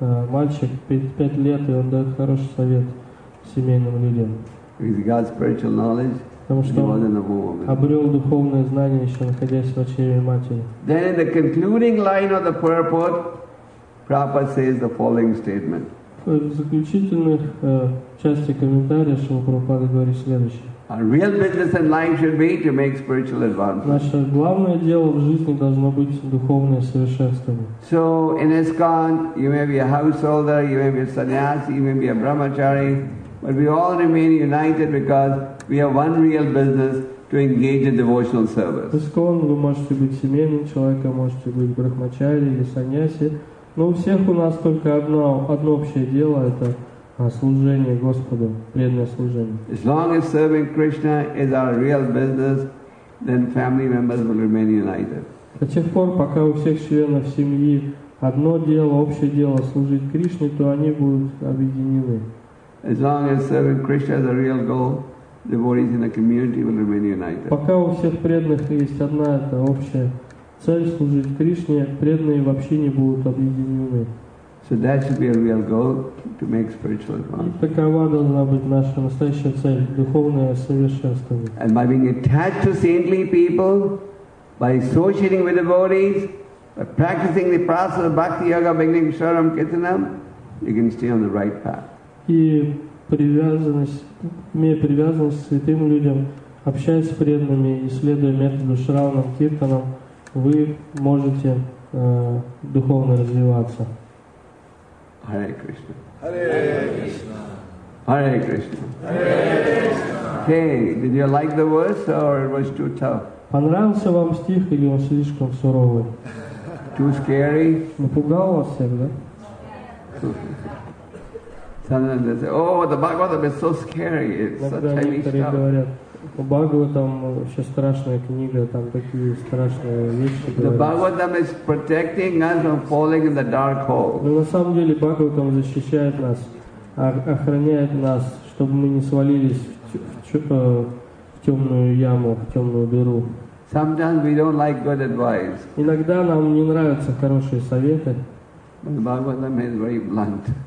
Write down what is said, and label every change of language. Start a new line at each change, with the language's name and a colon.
Russian: Мальчик, 5 лет, и он дает хороший совет семейным людям.
English: He's got spiritual knowledge.
Russian: Потому что он обрел духовное знание, еще находясь в чреве матери.
English: Then in the concluding line of the purport, Prabhupada says the following statement.
Russian: В заключительных части комментария Шрила Прабхупада говорит следующее.
English: A real business in life should be to make spiritual advancement.
Russian: Наше главное дело в жизни должно быть духовное совершенствование.
English: So in ISKCON, you may be a householder, you may be a sannyasi, you may be a brahmachari, but we all remain united because we have one real business to engage in devotional service.
Russian: ISKCON, вы можете быть семейным человеком, можете быть брахмачари или саньяси, но у всех у нас только одно общее дело – это служение Господу, преданное служение.
English: As long as serving Krishna is our real business, then family members will remain united.
Russian: До тех пор, пока у всех членов семьи одно дело, общее дело – служить Кришне, то они будут объединены.
English: As long as serving Krishna is a real goal, devotees in a community will remain united.
Russian: Пока у всех преданных есть одна это общая цель – служить Кришне, преданные в общине будут объединены.
English: So that should be a real goal to make spiritual advancement.
Russian: Такова должна быть наша настоящая цель – духовное совершенствование.
English: And by being attached to saintly people, by associating with devotees, by practicing the process of bhakti yoga, beginning sharam kirtanam, you can stay on the right path.
Russian: И привязанность, имея привязанность к святым людям, общаясь с преданными и следуя методу шравнам киртанам, вы можете духовно развиваться.
English: Hare Krishna. Hare Krishna. Hare Krishna. Hare Krishna. Hey, did you like the verse or it was too tough?
Russian: Понравился вам стих или он слишком суровый?
English: Too scary?
Russian: Напугал вас всех, да?
English: Sometimes they say, oh, the Bhagavatam is so scary. The Bhagavatam is protecting us from falling in the dark hole.
Russian: Но на самом деле Бхагаватам защищает нас, охраняет нас, чтобы мы не свалились в темную яму, в темную дыру.
English: Sometimes we don't like good advice.
Russian: Иногда нам не нравятся хорошие советы.
English: But Bhagavatam is very blunt.